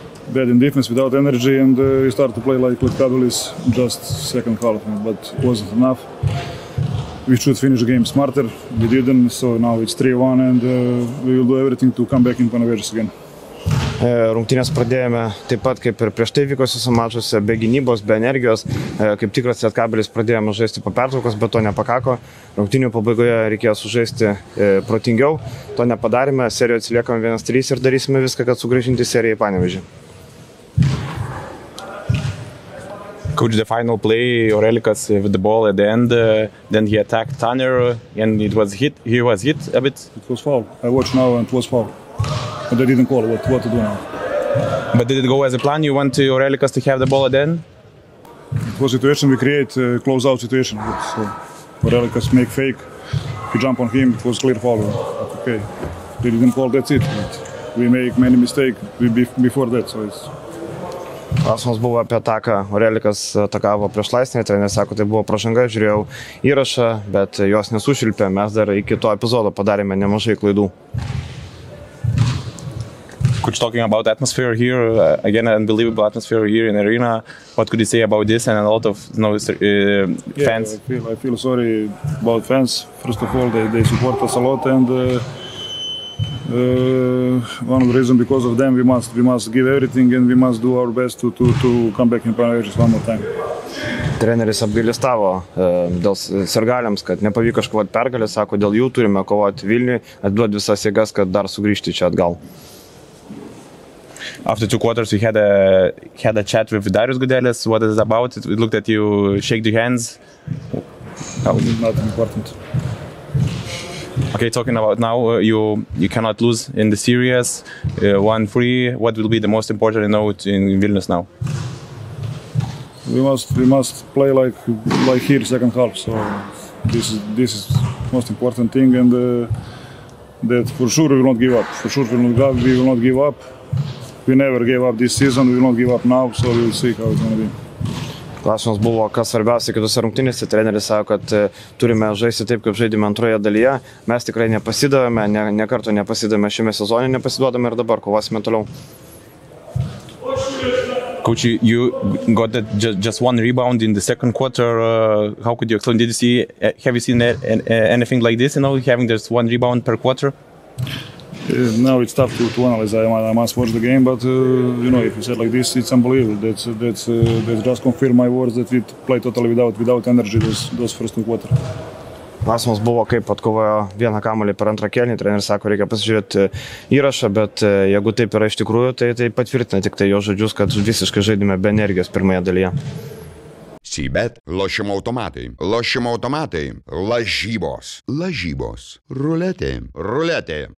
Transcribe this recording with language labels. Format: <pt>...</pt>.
<en>Bad in defense without energy and we start to play like Lietkabelis just second half, but it wasn't enough. We should finish the game smarter, we didn't, so now it's 3-1 and we will do everything to come back in Panevėžys again.</en> <lt>Rungtynės pradėjome taip pat kaip ir prieš tai vykosiuose mačiuose, be gynybos, be energijos. Kaip tikras Lietkabelis pradėjome žaisti po pertraukos, bet to nepakako. Rungtynių pabaigoje reikėjo sužaisti protingiau, to nepadarėme, serijoje atsiliekame 1-3 ir darysime viską, kad sugrįžinti seriją į Panevėžį.</lt> <en>Coach, the final play, Aurelikas with the ball at the end, then he attacked Tanner and it was hit, he was hit a bit. It was foul. I watched now and it was foul. But they didn't call it. What to do now. But did it go as a plan? You want to Aurelikas to have the ball at the end? It was a situation we create, a close-out situation. But, so Aurelikas make fake, we jump on him, it was clear foul. Okay, they didn't call, that's it. But we make many mistakes before that, so it's...</en> <lt>Klausimas buvo apie ataką, Aurelikas atakavo prieš laisnį, tai nesako, tai buvo pražanga, žiūrėjau įrašą, bet jos nesušilpė, mes dar iki to epizodo padarėme nemažai klaidų.</lt> <en>Could you talking about atmosphere here, again an unbelievable atmosphere here in arena, what could you say about this and a lot of no, fans? Yeah, I feel sorry about fans, first of all, they support us a lot and one of the reasons because of them we must give everything and we must do our best to come back in Panevėžys one more time.</en> <lt>Treneris apgailestavo dėl sirgaliams, kad nepavyko iškovoti pergalę, sako, dėl jų turime kovoti Vilniui, atduoti visas jėgas, kad dar sugrįžti čia atgal.</lt> <en>After two quarters, we had a chat with Darius Gudelis. What is it about? It looked at you, shake the hands. Oh. Not important. Okay, talking about now, you cannot lose in the series. 1-3. What will be the most important note in Vilnius now? We must play like here second half. So this is most important thing, and that for sure we will not give up. For sure we will not give up. We never gave up this season, we don't give up now, so we'll see how it's going to be.</en> <lt>Klausimas buvo, kas svarbiausia kitose rungtynėse. Treneris sako, kad turime žaisti taip, kaip žaidime antroje dalyje. Mes tikrai nepasidavome, nekarto nepasidavome šiame sezone, nepasiduodame ir dabar kovosime toliau.</lt> <en>Coach, you got that just one rebound in the second quarter. How could you explain? Have you seen anything like this, having just one rebound per quarter? Now it's tough to analyze. I must watch the game, but if you said like this, it's unbelievable. That's just confirm my words that we play totally without energy those first two quarters.</en> <lt>Klausimas buvo, kaip atkovojo vieną kamuolį per antrą kėlinį. Treneris sako, reikia pasižiūrėti įrašą, bet jeigu taip yra iš tikrųjų, tai patvirtina tik tai jo žodžius, kad visiškai žaidime be energijos pirmoje dalyje. Cybet, lošimo automatai, lošimo automatai, lažybos, ruletė.</lt>